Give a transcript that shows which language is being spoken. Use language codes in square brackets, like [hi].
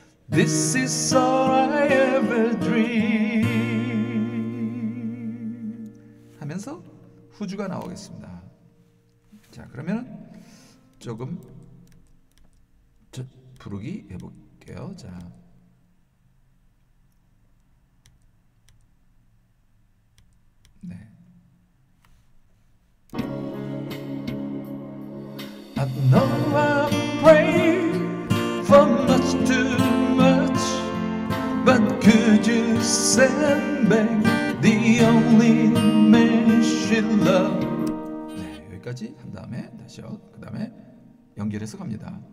[en] This is all I ever dream [ko] 하면서 후주가 나오겠습니다. 자, 그러면 조금 부르기 해볼게요. [en] 자, I know I pray for much too much, but could you send back the only man she loved? [ko] 네, 여기까지 한 다음에 다시요. 그 다음에 연결해서 갑니다.